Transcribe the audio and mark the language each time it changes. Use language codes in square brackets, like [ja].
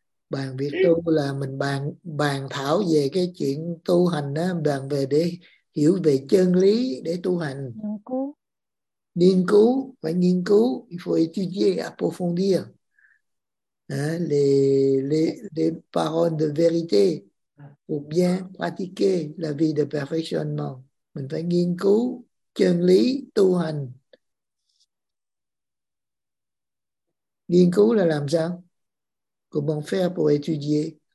[vi] Bàn việc tu là mình bàn bàn thảo về cái chuyện tu hành á, bàn về để hiểu về chân lý để tu hành. Nghiên cứu, phải nghiên cứu, phải [fr] étudier, approfondir. Les paroles de vérité ou bien pratiquer la vie de perfectionnement. [vi] Mình phải nghiên cứu chân lý tu hành. Nghiên cứu là làm sao? [fr] Comment faire pour étudier?